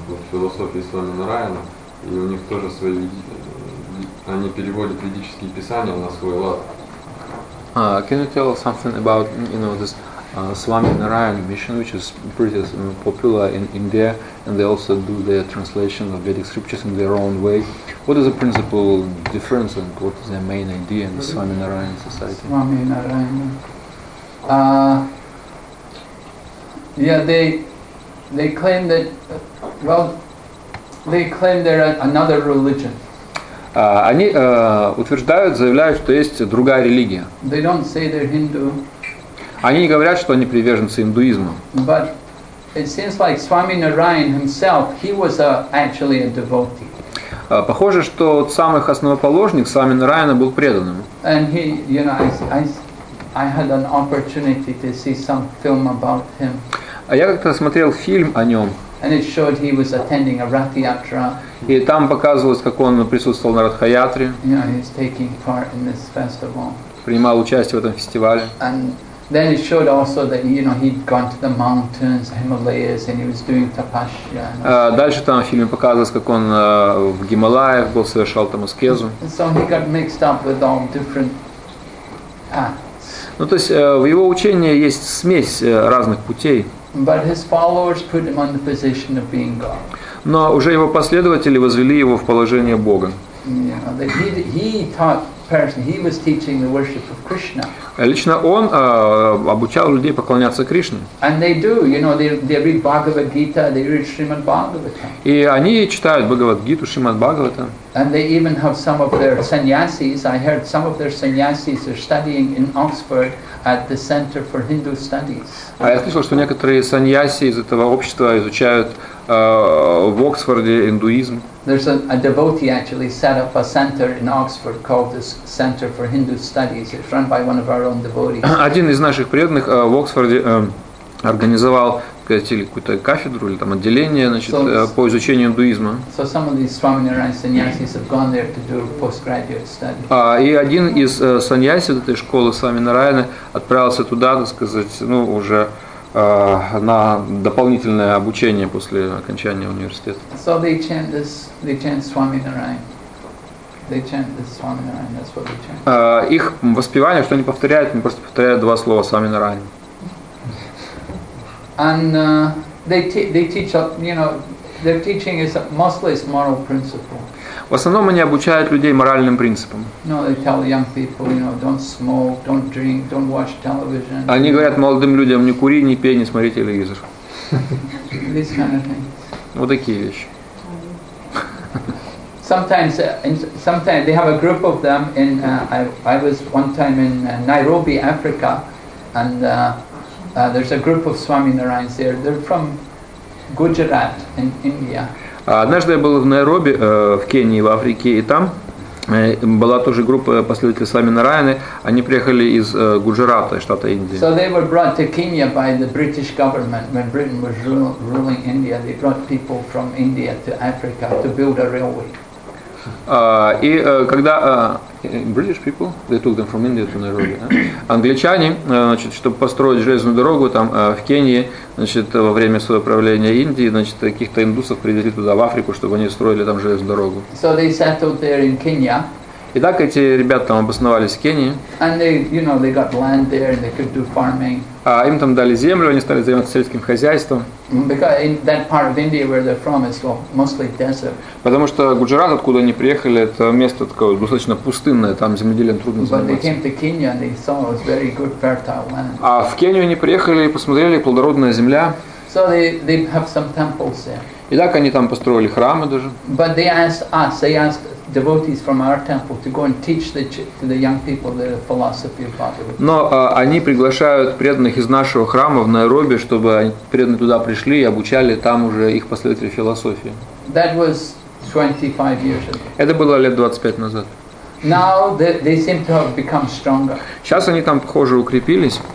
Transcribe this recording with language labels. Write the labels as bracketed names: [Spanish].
[Russian] Философии Свами Нараяна, и у них тоже свои, они переводят ведические писания на свой лад. [English] Can you tell something about, you know, this Swami Narayan mission, which is pretty popular in India, and they also do their translation of Vedic scriptures in their own way? What is the principal difference, and what is their main idea in the Swami Narayan society? Swami Narayan. They claim that, they claim they're another religion. [Russian] Они утверждают, заявляют, что есть другая религия. [English] They don't say they're Hindu. [Russian] Они не говорят, что они приверженцы индуизма. [English] But it seems like Swami Narayan himself, he was actually a devotee. [Russian] Похоже, что сам их основоположник, Свами Нараяна, был преданным. [English] And he, you know, I had an opportunity to see some film about him. [Russian] А я как-то смотрел фильм о нем. [English] And it showed he was attending a Rathyatra. [Russian] И там показывалось, как он присутствовал на Ратхаятре. [English] Yeah, he's taking part in this festival. [Russian] Принимал участие в этом фестивале. [English] And then it showed also that, you know, he'd gone to the mountains, Himalayas, and he was doing tapasya. [Russian] Дальше там в фильме показывалось, как он в Гималаях был, совершал там аскезу. [English] And so he got mixed up with all different paths. [Russian] Ну, то есть в его учении есть смесь разных путей. [English] But his followers put him on the position of being God. [Russian] Но уже его последователи возвели его в положение Бога. [English] Yeah, he taught personally. He was teaching the worship of Krishna. [Russian] Лично он обучал людей поклоняться Кришне. [English] And they do, you know, they read Bhagavad Gita, they read Shrimad Bhagavatam. [Russian] И они читают Бхагавад Гиту, Шримад Бхагаватам. [English] And they even have some of their sannyasis. I heard some of their sannyasis are studying in Oxford at the Center for Hindu Studies. [Russian] А я слышал, что некоторые саньяси из этого общества изучают в Оксфорде индуизм. [English] There's a devotee actually set up a center in Oxford called the Center for Hindu Studies. It's run by one of our own devotees. [Russian] Один из наших преданных в Оксфорде организовал какую-то кафедру или там отделение, значит, по изучению индуизма. [English] So some of these Swami Narayan sannyasis have gone there to do postgraduate study. [Russian] И один из саньяси вот этой школы Свами Нараяна отправился туда, так сказать, ну, уже на дополнительное обучение после окончания университета. [English] So they chant Swami Narayan. They chant the Swami Narayan, that's what they chant. [Russian] Их воспевание, что они повторяют, они просто повторяют два слова Свами Нараян. [English] And they teach, you know, their teaching is mostly moral principle. [Russian] В основном они обучают людей моральным принципам. [English] No, they tell young people, you know, don't smoke, don't drink, don't watch television. [Russian] Они говорят молодым людям: не кури, не пей, не смотри телевизор. [English] These kind of things. [Russian] Вот такие вещи. [English] Sometimes they have a group of them in. I was one time in Nairobi, Africa, and. There's a group of Swami Narayans there. They're from Gujarat in India. [Russian] Однажды я был в Найроби, в Кении, в Африке, и там была тоже группа последователей Свами Нараяны. Они приехали из Гуджарата, штата Индии. [English] So they were brought to Kenya by the British government when Britain was ruling India. They brought people from India to Africa to build a railway. [Russian] И когда [English] British people, they took them from India to Nairobi. [Russian] Англичане, значит, чтобы построить железную дорогу там в Кении, значит, во время своего правления Индии, значит, каких-то индусов привезли туда в Африку, чтобы они строили там железную дорогу. [English] So they settled there in Kenya. [Russian] И так эти ребята там обосновались в Кении. [English] And they, you know, they got land there and they could do farming. [Russian] А им там дали землю, они стали заниматься сельским хозяйством. [English] Because in that part of India where they're from is mostly desert. [Russian] Потому что Гуджарат, откуда они приехали, это место такое достаточно пустынное, там земледелием трудно заниматься. [English] But they came to Kenya and they saw it was very good fertile land. [Russian] А в Кению они приехали и посмотрели, плодородная земля. [English] So they have some temples there. [Russian] И так они там построили храмы даже. [English] But they asked us, they asked devotees from our temple to go and teach to the young people the philosophy of Bhagavad-gita. [Russian] Но они приглашают преданных из нашего храма в Найроби, чтобы преданные туда пришли и обучали там уже их последователей философии. [English] That was 25 years ago. [Russian] Это было лет 25 назад. [English] Now they seem to have become stronger. [Russian] Сейчас они там, похоже, укрепились.